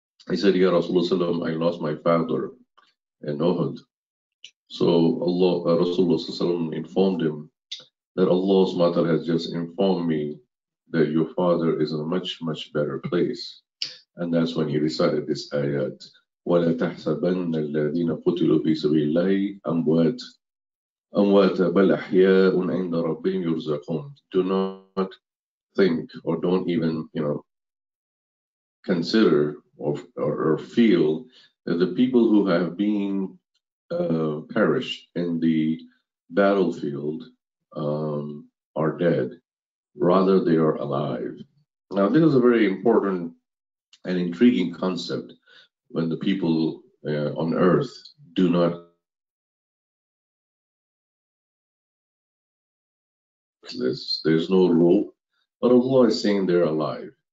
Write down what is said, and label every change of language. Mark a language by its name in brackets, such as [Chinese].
[English] He said, Ya Rasulullah, I lost my father in Uhud. So Allah, Rasulullah informed him that Allah's mother has just informed me that your father is in a much, much better place. And that's when he recited this ayat. [Arabic] وَلَا تَحْسَبَنَّ الَّذِينَ قُتِلُوا فِي سَبِيلِ اللَّهِ أَمْوَاتَ بَلْ أَحْيَاءٌ عِنْدَ رَبِّهِمْ يُرْزَقُونَ. [English] Do not think, or don't even, you know, consider or feel that the people who have been perished in the battlefield are dead, rather they are alive. Now, this is a very important and intriguing concept when the people on earth do not there's no rule, but Allah is saying they're alive.